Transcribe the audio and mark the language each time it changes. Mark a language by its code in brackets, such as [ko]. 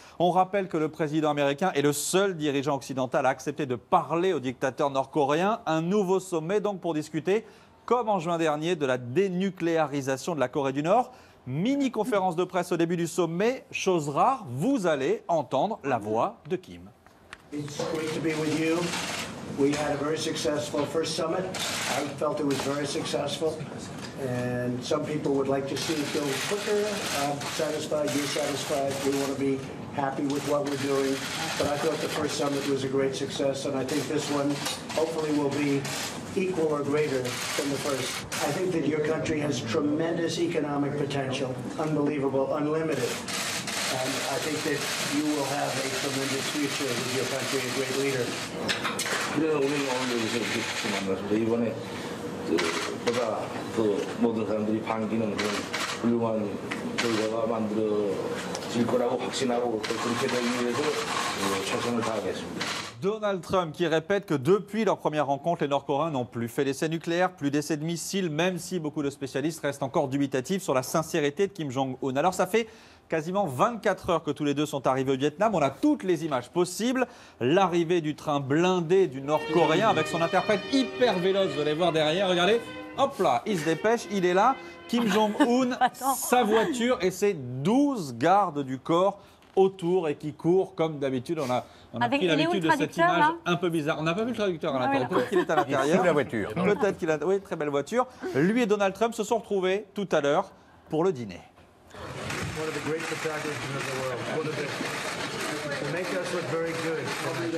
[fr] On rappelle que le président américain est le seul dirigeant occidental à accepter de parler au dictateur nord-coréen. Un nouveau sommet donc pour discuter, comme en juin dernier, de la dénucléarisation de la Corée du Nord. Mini conférence de presse au début du sommet. Chose rare, vous allez entendre la voix de Kim. [en] It's great to be with you. We had a very successful first summit. I felt it was very successful. And some people would like to see it go quicker. I'm satisfied, you're satisfied. We want to be happy with what we're doing. But I thought the first summit was a great success. And I think this one hopefully will be equal or greater than the first. I think that your country has tremendous economic potential. Unbelievable, unlimited. And I think that you will have a tremendous future with your country, a great leader. [ko] 그래서 우리 오늘 이렇게 같이 만나서 이번에 보다 그 모든 사람들이 반기는 그런 훌륭한 결과가 만들어질 거라고 확신하고 그렇게 되기 위해서 최선을 다하겠습니다. [fr] Donald Trump qui répète que depuis leur première rencontre, les Nord-Coréens n'ont plus fait d'essais nucléaires, plus d'essais de missiles, même si beaucoup de spécialistes restent encore dubitatifs sur la sincérité de Kim Jong-un. Alors ça fait quasiment 24 heures que tous les deux sont arrivés au Vietnam. On a toutes les images possibles. L'arrivée du train blindé du Nord-Coréen avec son interprète hyper véloce. Vous allez voir derrière, regardez. Hop là, il se dépêche, il est là. Kim Jong-un, sa voiture et ses 12 gardes du corps autour et qui court comme d'habitude. On a avec pris l'habitude de cette image là. Un peu bizarre. On n'a pas vu le traducteur à l'intérieur. Peut-être qu'il est à l'intérieur. Il est la voiture. Peut-être qu'il a. Oui, très belle voiture. Lui et Donald Trump se sont retrouvés tout à l'heure pour le dîner. [en] One of the great photographers in the world. One of the. To make us look very good.